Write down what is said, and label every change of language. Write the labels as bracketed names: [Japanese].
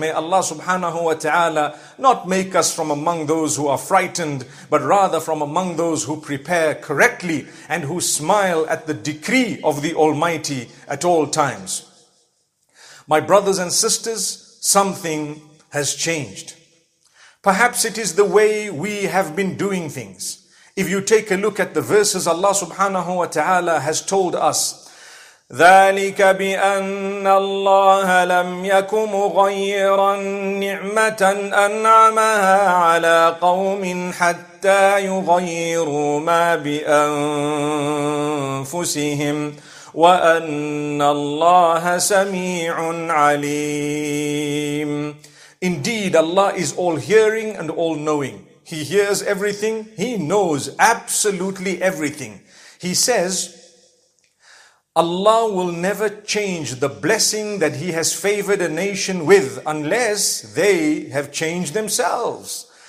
[English] May Allah subhanahu wa ta'ala not make us from among those who are frightened, but rather from among those who prepare correctly and who smile at the decree of the Almighty at all times. My brothers and sisters, something has changed. Perhaps it is the way we have been doing things. If you take a look at the verses, Allah subhanahu wa ta'ala has told us, [Arabic] ذَلِكَ بِأَنَّ اللَّهَ لَمْ يَكُ مُغَيِّرًا نِعْمَةً أَنْعَمَهَا عَلَىٰ قَوْمٍ حَتَّى يُغَيِّرُوا مَا بِأَنفُسِهِمْ وَأَنَّ اللَّهَ سَمِيعٌ عَلِيمٌ. [English] Indeed, Allah is all-hearing and all-knowing. He hears everything. He knows absolutely everything. He says, Allah will never change the blessing that He has favored a nation with unless they have changed themselves.